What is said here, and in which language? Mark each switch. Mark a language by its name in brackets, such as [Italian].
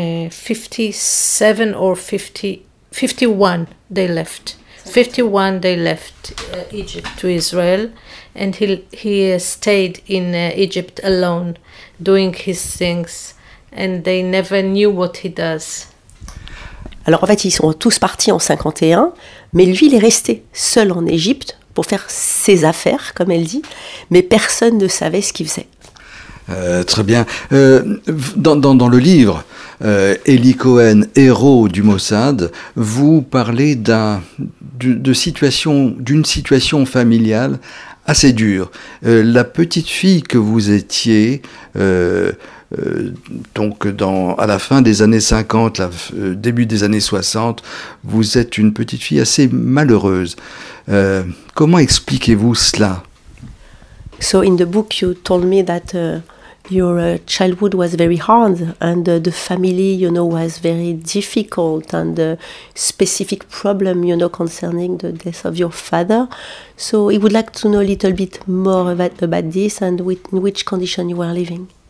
[English] 57 or 50, 51 they left. 51 they left Egypt to Israel, and he stayed in Egypt alone doing his things, and they never knew what he does. [French] Alors en fait, ils sont tous partis en 51, mais lui, il est resté seul en Égypte pour faire ses affaires, comme elle dit, mais personne ne savait ce qu'il faisait. Très bien. Dans le livre, Eli Cohen, héros du Mossad, vous parlez d'une situation familiale assez dure. La petite fille que vous étiez, à la fin des années 50, début des années 60, vous êtes une petite fille assez malheureuse. Comment expliquez-vous cela? [English] So in the book you told me that your childhood was very hard, and the family, you know, was very difficult, and the specific problem, you know, concerning the death of your father. So he would like to know a little bit more about this and in which condition you were living.